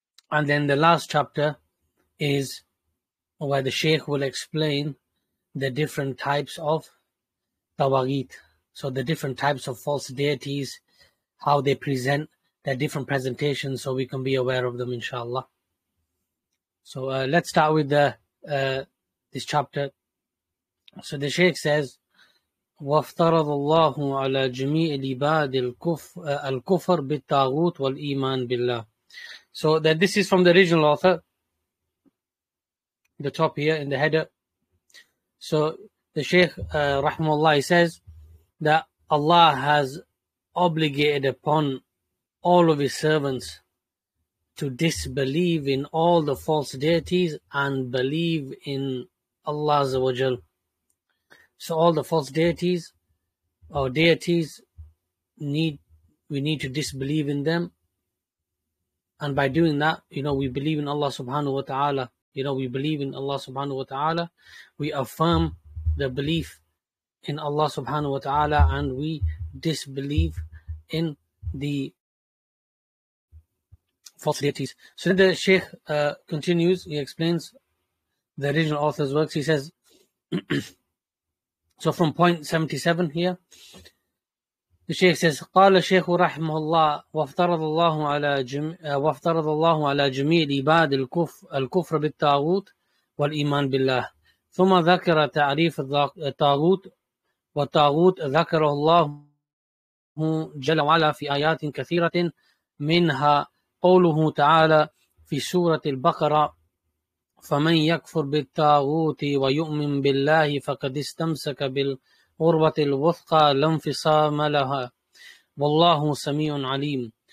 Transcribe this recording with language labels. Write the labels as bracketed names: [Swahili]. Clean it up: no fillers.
[English] And then the last chapter is where the Shaykh will explain the different types of tawagit. So the different types of false deities, how they present their different presentations, so we can be aware of them, inshallah. So let's start with this chapter. So the Shaykh says, [Arabic] وافترض الله على جميع العباد الكفر بالطاغوت والإيمان بالله. [English] So that this is from the original author, the top here in the header. So the Shaykh rahmullah, he says that Allah has obligated upon all of his servants to disbelieve in all the false deities and believe in Allah Azza wa Jal. So all the false deities or deities, we need to disbelieve in them. And by doing that, you know, we believe in Allah subhanahu wa ta'ala. You know, we believe in Allah subhanahu wa ta'ala. We affirm the belief in Allah subhanahu wa ta'ala, and we disbelieve in the false deities. So then the Shaykh continues, he explains the original author's works. He says, so from point 77 here, the Shaykh says, [Arabic] قال الشيخ رحمه الله وافترض الله على وافترض الله على جميع العباد الكفر بالطاغوت والإيمان بالله. ثم ذكر تعريف الطاغوت، والطاغوت ذكره الله جل وعلا في آيات كثيرة، منها قوله تعالى في سورة البقرة، فمن يكفر بالطاغوت ويؤمن بالله فقد استمسك بالعروة الوثقى لا انفصام لها والله سميع عليم.